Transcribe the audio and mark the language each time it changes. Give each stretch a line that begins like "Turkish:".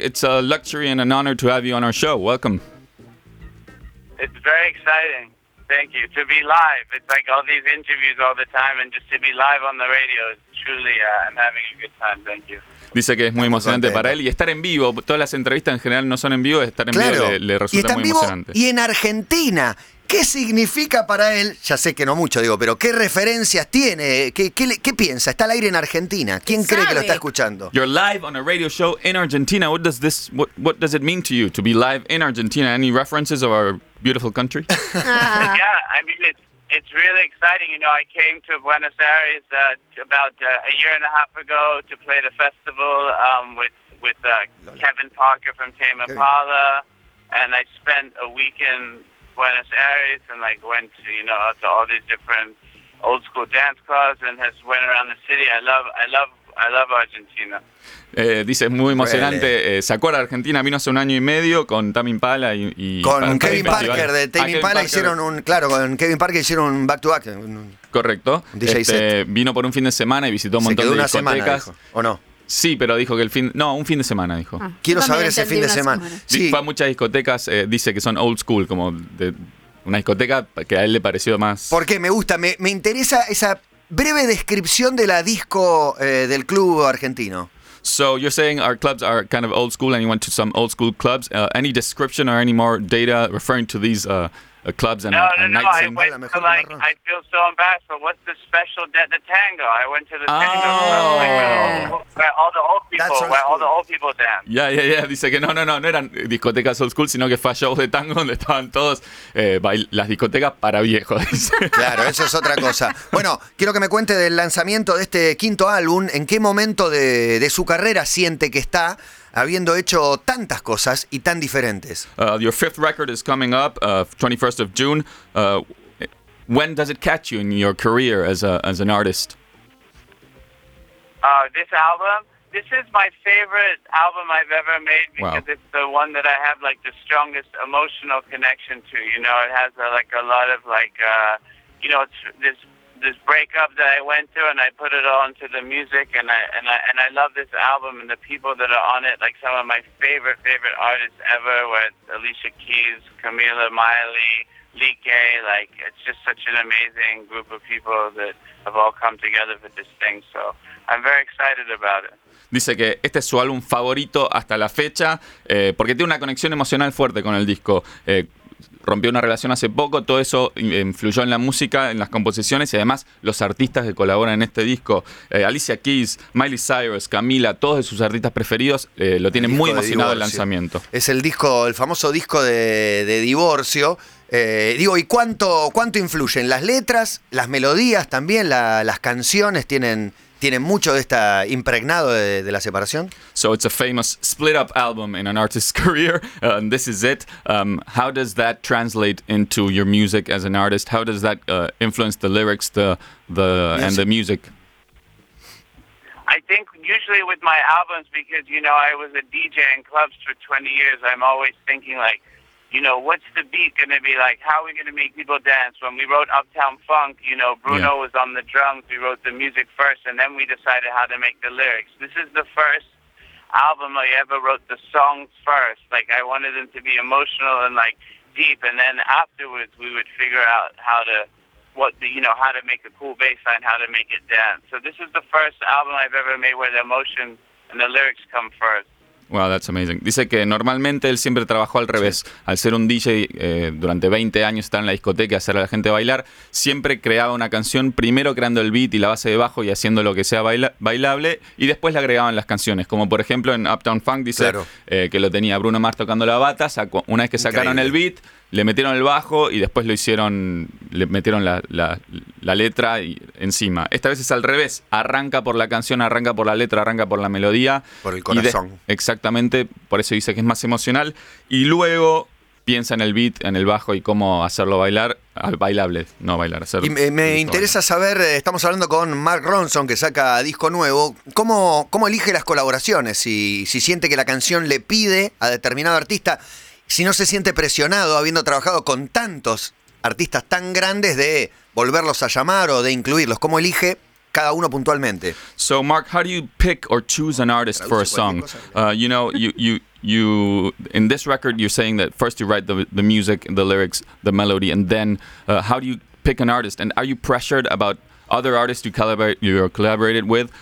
English: It's a luxury and an honor to have you on our show. Welcome. It's very exciting. Thank you. To be live. It's like all these interviews all the time, and just to be live on the radio is truly, I'm having a good time. Thank you.
Spanish: Dice que es muy emocionante para él. Y estar en vivo, todas las entrevistas en general no son en vivo, estar en claro. vivo le resulta y está muy en vivo emocionante. Y en Argentina, ¿qué significa para él? Ya sé que no mucho, digo, pero ¿qué referencias tiene? ¿Qué piensa? ¿Está al aire en Argentina? ¿Quién cree que lo está escuchando?
English: You're live on a radio show in Argentina. What does this what does it mean to you to be live in Argentina? Any references of our beautiful country? Yeah, I mean it's really exciting. You know, I came to Buenos Aires about a year and a half ago to play the festival with Kevin Parker from Tame Impala, and I spent a week in Buenos Aires and like went to, you know, to all these different old school dance clubs and has went around the city. I love Argentina.
Spanish: Dice, es muy emocionante. Sacó a Argentina, vino hace un año y medio con Tame Impala y con Kevin Parker de Tame Impala. Hicieron un, claro, con Kevin Parker hicieron un
English: back to back.
Spanish: Correcto. Vino por un fin de semana y visitó un montón de discotecas. Se quedó una semana, dijo. ¿O no? Sí, pero dijo que el fin... No, un fin de semana, dijo. Ah, quiero saber ese fin de semana. Sí. Fue a muchas discotecas, dice que son
English: old school,
Spanish: como de una discoteca que a él le pareció más... ¿Por qué? Me gusta, me interesa esa breve descripción de la disco del club argentino.
English: So you're saying our clubs are kind of old school and you went to some old school clubs. Any description or any more data referring to these... clubs and nights. I feel so embarrassed, but what's the special the tango? I went to the tango club, where all the old people dance. Yeah.
Spanish: Dice que no eran discotecas
English: old school,
Spanish: sino que fue a shows de tango donde estaban todos las discotecas para viejos. Claro, eso es otra cosa. Bueno, quiero que me cuente del lanzamiento de este quinto álbum. ¿En qué momento de su carrera siente que está? Habiendo hecho tantas cosas y tan diferentes.
English: Your fifth record is coming up, 21st of June. When does it catch you in your career as an artist? This album? This is my favorite album I've ever made because wow. It's the one that I have like the strongest emotional connection to. You know, it has like a lot of like, you know, it's this breakup that I went through, and I put it all into the music, and I love this album and the people that are on it, like some of my favorite artists ever, with Alicia Keys, Camila, Miley, Lee Kay. Like, it's just such an amazing group of people that have all come together for this thing, so I'm very excited about it.
Spanish: Dice que este es su álbum favorito hasta la fecha, porque tiene una conexión emocional fuerte con el disco. Rompió una relación hace poco, todo eso influyó en la música, en las composiciones y además los artistas que colaboran en este disco. Alicia Keys, Miley Cyrus, Camila, todos de sus artistas preferidos lo tienen muy emocionado el lanzamiento. Es el disco, el famoso disco de divorcio. Digo, ¿y cuánto influyen las letras, las melodías también, las canciones tienen mucho de esta impregnado de la separación?
English: So it's a famous split up album in an artist's career, and this is it. How does that translate into your music as an artist? How does that influence the lyrics, the music. And the music? I think usually with my albums, because you know I was a DJ in clubs for 20 years, I'm always thinking like, you know, what's the beat going to be like? How are we going to make people dance? When we wrote Uptown Funk, you know, Bruno yeah. was on the drums. We wrote the music first, and then we decided how to make the lyrics. This is the first album I ever wrote the songs first. Like, I wanted them to be emotional and, like, deep. And then afterwards, we would figure out how to make a cool bass line, how to make it dance. So this is the first album I've ever made where the emotion and the lyrics come first. Wow, that's amazing.
Spanish: Dice que normalmente él siempre trabajó al revés. Al ser un DJ durante 20 años, estar en la discoteca y hacer a la gente bailar, siempre creaba una canción, primero creando el beat y la base de bajo y haciendo lo que sea bailable, y después le agregaban las canciones. Como por ejemplo en Uptown Funk, dice claro. Que lo tenía Bruno Mars tocando la bata. Una vez que sacaron increíble. El beat, le metieron el bajo y después lo hicieron, le metieron la letra y encima. Esta vez es al revés. Arranca por la canción, arranca por la letra, arranca por la melodía. Por el corazón. Exactamente. Por eso dice que es más emocional. Y luego piensa en el beat, en el bajo y cómo hacerlo bailar. Bailable, no bailar. Hacer y me interesa bailar. Saber, estamos hablando con Mark Ronson, que saca disco nuevo. ¿Cómo elige las colaboraciones? Si siente que la canción le pide a determinado artista, si no se siente presionado, habiendo trabajado con tantos artistas tan grandes, de volverlos a llamar o de incluirlos. ¿Cómo elige cada uno puntualmente?
English: So, Mark, how do you pick or choose an artist for a song? You know, in this record, you're saying that first you write the music, the lyrics, the melody, and then how do you pick an artist? And are you pressured about other artists you collaborated with?